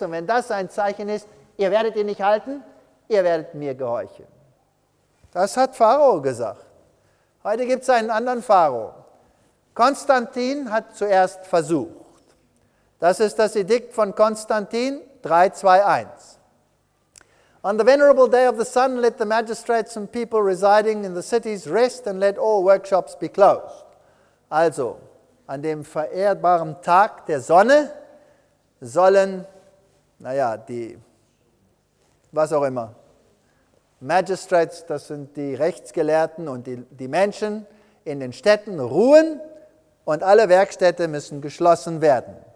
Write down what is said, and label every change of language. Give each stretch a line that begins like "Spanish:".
German: Und wenn das ein Zeichen ist, ihr werdet ihn nicht halten, ihr werdet mir gehorchen. Das hat Pharao gesagt. Heute gibt es einen anderen Pharao. Konstantin hat zuerst versucht. Das ist das Edikt von Konstantin 3:2:1.
English: On the venerable day of the sun, let the magistrates and people residing in the cities rest and let all workshops be closed.
German: Also, an dem verehrbaren Tag der Sonne sollen, naja, die, was auch immer, Magistrates, das sind die Rechtsgelehrten und die Menschen in den Städten ruhen und alle Werkstätte müssen geschlossen werden.